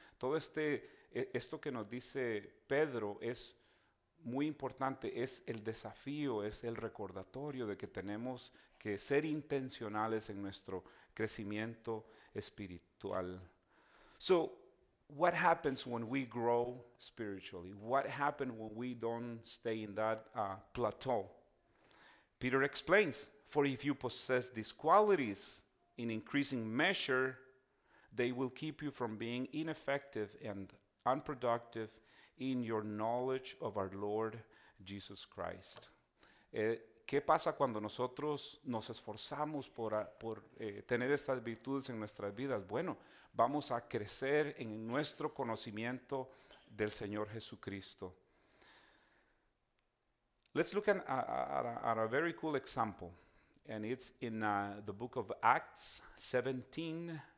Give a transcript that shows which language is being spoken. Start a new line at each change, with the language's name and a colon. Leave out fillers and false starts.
Spanish: Todo esto que nos dice Pedro es muy importante. Es el desafío, es el recordatorio de que tenemos que ser intencionales en nuestro crecimiento espiritual.
English: So, what happens when we grow spiritually? What happens when we don't stay in that plateau? Peter explains, for if you possess these qualities in increasing measure, they will keep you from being ineffective and unproductive in your knowledge of our Lord Jesus Christ.
Spanish: ¿Qué pasa cuando nosotros nos esforzamos por tener estas virtudes en nuestras vidas? Bueno, vamos a crecer en nuestro conocimiento del Señor Jesucristo.
English: Let's look at a very cool example. And it's in the book of Acts 17:10-12.